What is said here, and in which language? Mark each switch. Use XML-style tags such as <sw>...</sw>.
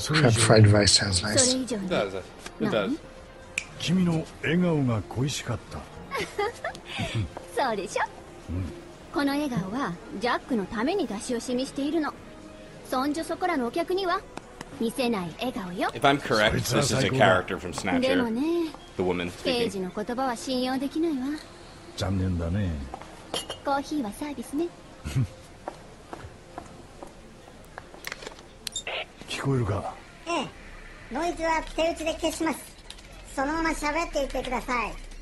<ja>それ以上に、それ以上に、何？君の笑顔が恋しかった。そうでしょ、うん、この笑顔はジャックのために出し惜しみしているの。そんじょそこらのお客には見せない笑顔よ。</ja> <en>If I'm correct, this is a character from Snatcher. The woman speaking. 刑事</en> <ja>の言葉は信用できないわ。残念だね。コーヒーはサービスね。聞こえるか？ええ。ノイズは手打ちで消します。そのまま喋っていてください。</ja>